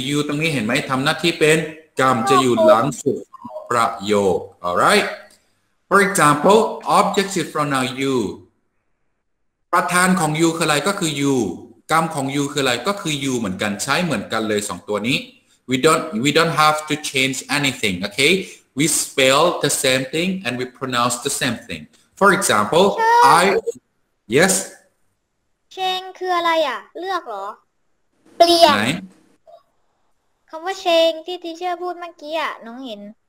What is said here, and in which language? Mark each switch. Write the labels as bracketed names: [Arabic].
[Thai] You ตรงนี้เห็นไหมทำหน้าที่เป็นกรรมจะอยู่หลังสุดประโยค [English] Alright. For example, objective pronoun you. [Thai] ประธานของ you คืออะไรก็คือ you. กรรมของ you คืออะไรก็คือ you เหมือนกันใช้เหมือนกันเลยสองตัวนี้ [English] We don't have to change anything. Okay. We spell the same thing and we pronounce the same thing. For example, yes. [Thai] Change คืออะไรอ่ะเลือกเหรอเปลี่ยน ไหน คำว่า change ที่ทีเชอร์พูดเมื่อกี้อ่ะน้องเห็น